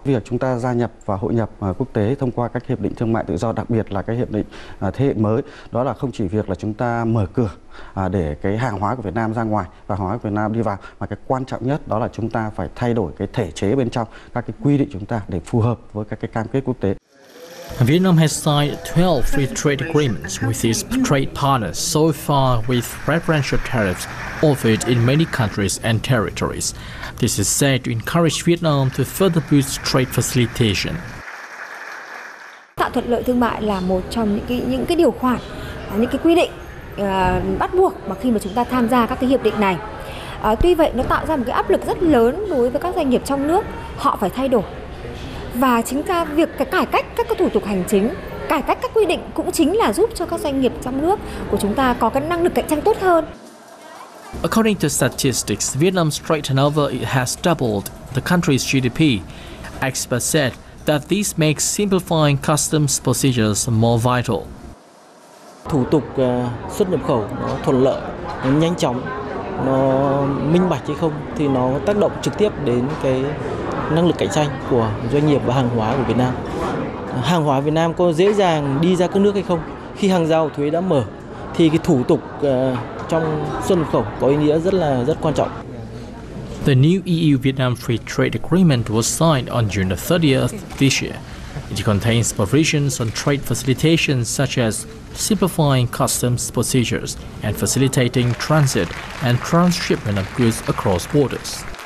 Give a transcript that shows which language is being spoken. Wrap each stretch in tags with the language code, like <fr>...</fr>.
<vi>Việc chúng ta gia nhập và hội nhập quốc tế thông qua các hiệp định thương mại tự do, đặc biệt là cái hiệp định thế hệ mới, đó là không chỉ việc là chúng ta mở cửa để cái hàng hóa của Việt Nam ra ngoài và hàng hóa của Việt Nam đi vào, mà cái quan trọng nhất đó là chúng ta phải thay đổi cái thể chế bên trong, các cái quy định chúng ta để phù hợp với các cái cam kết quốc tế.</vi> <en>Vietnam has signed 12 free trade agreements with its trade partners so far, with preferential tariffs offered in many countries and territories. This is said to encourage Vietnam to further boost trade facilitation.</en> <vi>Tạo thuận lợi thương mại là một trong những cái điều khoản, những cái quy định bắt buộc mà khi mà chúng ta tham gia các cái hiệp định này. Tuy vậy, nó tạo ra một cái áp lực rất lớn đối với các doanh nghiệp trong nước, họ phải thay đổi. Và chính ra việc cải cách các cái thủ tục hành chính, cải cách các quy định cũng chính là giúp cho các doanh nghiệp trong nước của chúng ta có cái năng lực cạnh tranh tốt hơn.</vi> <en>According to statistics, Vietnam's trade turnover has doubled the country's GDP. Experts said that this makes simplifying customs procedures more vital.</en> <vi>Thủ tục xuất nhập khẩu nó thuận lợi, nó nhanh chóng, nó minh bạch hay không thì nó tác động trực tiếp đến cái năng lực cạnh tranh của doanh nghiệp và hàng hóa của Việt Nam. Hàng hóa Việt Nam có dễ dàng đi ra các nước hay không? Khi hàng rào thuế đã mở thì cái thủ tục trong xuất nhập khẩu có ý nghĩa rất quan trọng.</vi> <en>The new EU-Vietnam Free Trade Agreement was signed on June the 30th this year. It contains provisions on trade facilitation such as simplifying customs procedures and facilitating transit and transshipment of goods across borders.</en>